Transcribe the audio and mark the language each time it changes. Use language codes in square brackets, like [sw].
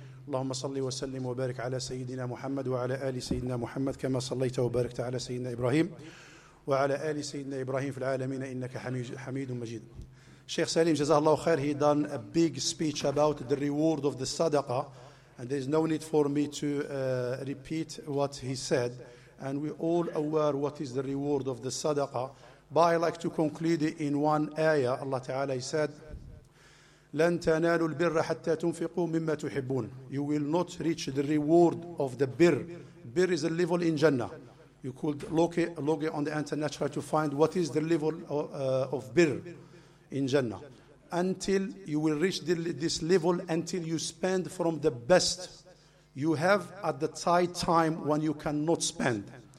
[ar] اللهم صل وسلم وبارك على سيدنا محمد وعلى آل سيدنا محمد كما صليت وباركت على سيدنا إبراهيم وعلى آل سيدنا إبراهيم في العالمين إنك حميد مجيد. شيخ سليم جزاه الله خير. [en] He done a big speech about the reward of the sadaqa, and there is no need for me to repeat what he said, and we all aware what is the reward of the sadaqa. But I like to conclude it in one ayah. Allah Ta'ala, he said, [ar] لن تنالوا البر حتى تنفقوا مما تحبون. [en] You will not reach the reward of the birr. Birr is a level in Jannah. You could look it on the internet, try to find what is the level of birr in Jannah. Until you will reach this level, until you spend from the best you have at the tight time when you cannot spend.